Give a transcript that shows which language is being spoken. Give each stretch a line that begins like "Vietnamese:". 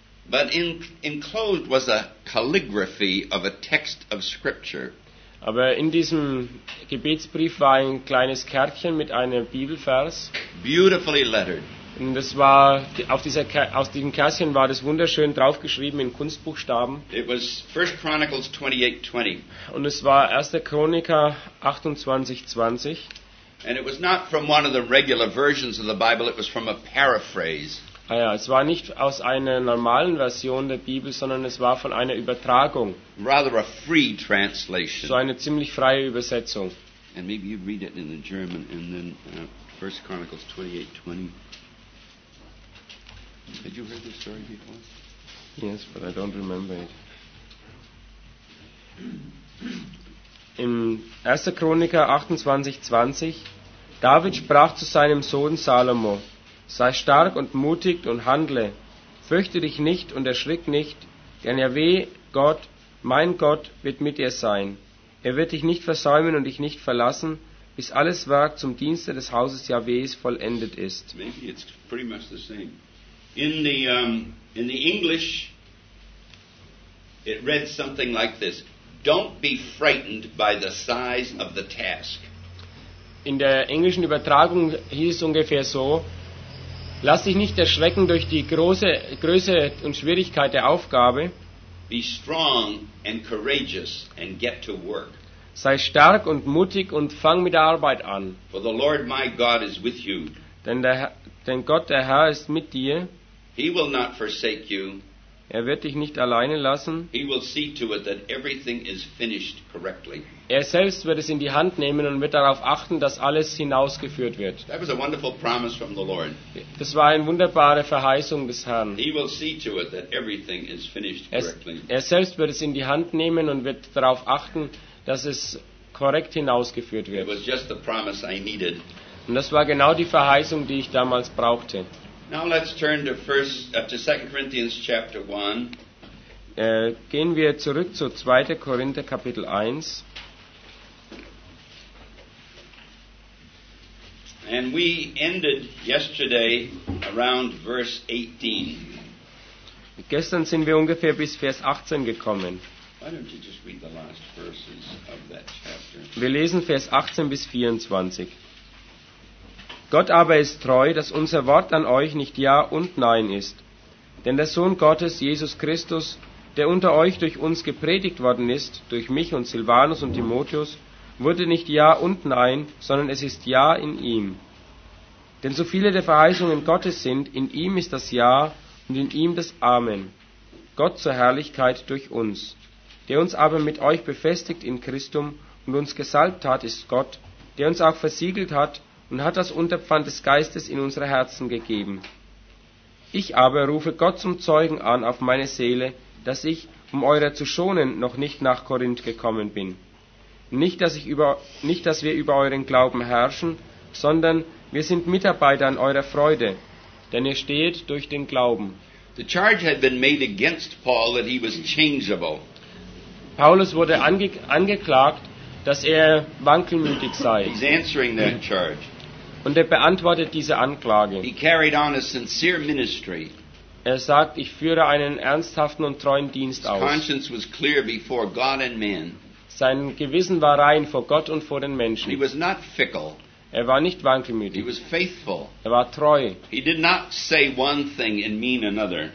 English: But enclosed was a calligraphy of a text of Scripture.
German: Aber in diesem Gebetsbrief war ein kleines Kärtchen mit einem Bibelvers.
English: Beautifully lettered.
German: Und das war aus diesem Kärtchen war das wunderschön draufgeschrieben in Kunstbuchstaben.
English: It was 1 Chronicles 28:20.
German: Und es war 1. Chroniker 28:20.
English: And it was not from one of the regular versions of the Bible. It was from a paraphrase.
German: Ah ja, es war nicht aus einer normalen Version der Bibel, sondern es war von einer Übertragung.
English: Rather a free translation.
German: So eine ziemlich freie Übersetzung.
English: And maybe you read it in the German and then 1 Chronicles 28:20. Had you heard this story before? Yes, but I don't remember it.
German: In 1. Chroniker 28:20, David sprach zu seinem Sohn Salomo: Sei stark und mutig und handle. Fürchte dich nicht und erschrick nicht, denn Jahwe, Gott, mein Gott, wird mit dir sein. Er wird dich nicht versäumen und dich nicht verlassen, bis alles Werk zum Dienste des Hauses Jahwes vollendet ist.
English: Maybe it's pretty much the same. In the English, it read something like this: Don't be frightened by the size of the task.
German: In der englischen Übertragung hieß es ungefähr so: Lass dich nicht erschrecken durch die große Größe und Schwierigkeit der Aufgabe.
English: Be strong and courageous and get to work.
German: Sei stark und mutig und fang mit der Arbeit an.
English: For the Lord my God is with you.
German: Denn Gott der Herr ist mit dir.
English: He will not forsake you.
German: Er wird dich nicht alleine lassen.
English: He will see to it that everything is finished correctly.
German: Er selbst wird es in die Hand nehmen und wird darauf achten, dass alles hinausgeführt wird.
English: That was a wonderful promise from the Lord.
German: Das war eine wunderbare Verheißung des Herrn.
English: He will see to it that everything is finished correctly.
German: Er selbst wird es in die Hand nehmen und wird darauf achten, dass es korrekt hinausgeführt wird.
English: It was just the promise I needed.
German: Und das war genau die Verheißung, die ich damals brauchte.
English: Now let's turn to 2 Corinthians chapter 1.
German: Gehen wir zurück zu 2. Korinther Kapitel 1.
English: And we ended yesterday around verse 18.
German: Gestern sind wir ungefähr bis Vers 18 gekommen.
English: Why don't you just read the last verses of that chapter?
German: Wir lesen Vers 18 bis 24. Gott aber ist treu, dass unser Wort an euch nicht Ja und Nein ist. Denn der Sohn Gottes, Jesus Christus, der unter euch durch uns gepredigt worden ist, durch mich und Silvanus und Timotheus, wurde nicht Ja und Nein, sondern es ist Ja in ihm. Denn so viele der Verheißungen Gottes sind, in ihm ist das Ja und in ihm das Amen. Gott zur Herrlichkeit durch uns. Der uns aber mit euch befestigt in Christum und uns gesalbt hat, ist Gott, der uns auch versiegelt hat, und hat das Unterpfand des Geistes in unsere Herzen gegeben. Ich aber rufe Gott zum Zeugen an auf meine Seele, dass ich, um eurer zu schonen, noch nicht nach Korinth gekommen bin. Nicht, dass wir über euren Glauben herrschen, sondern wir sind Mitarbeiter an eurer Freude, denn ihr stehet durch den Glauben.
English: The charge had been made against Paul that he was changeable.
German: Paulus wurde angeklagt, dass er wankelmütig sei.
English: He's answering that charge.
German: Und er beantwortet diese Anklage.
English: He carried on a sincere ministry.
German: Er sagt, ich führe einen ernsthaften und treuen Dienst aus.
English: His conscience was clear before God and man.
German: Sein Gewissen war rein vor Gott und vor den Menschen.
English: He was not fickle.
German: Er war nicht wankelmütig.
English: He was faithful.
German: Er war treu.
English: He did not say one thing and mean another.